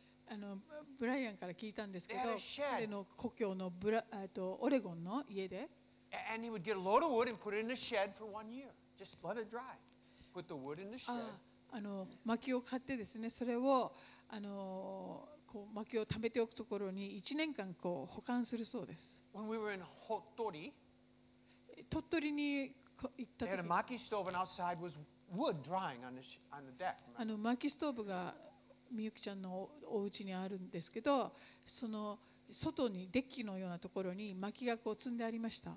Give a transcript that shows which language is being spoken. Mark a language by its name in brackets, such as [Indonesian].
[Japanese] あのブライアンから聞いたんですけど、彼の故郷のブラあとオレゴンの家で、 [English] and he would get a load of wood and put it in a shed for one year, just let it dry, put the wood in the shed. [Japanese] あの薪を買ってですね、それをあのこう薪を貯めておくところに1年間こう保管するそうです。 [English] When we were in Hottori, [Japanese] 鳥取に行った時、 [English] they had a 薪 stove and outside was wood drying on the deck. [Japanese] あの薪ストーブがみゆきちゃんのお家にあるんですけど、その外にデッキのようなところに薪がこう積んでありました。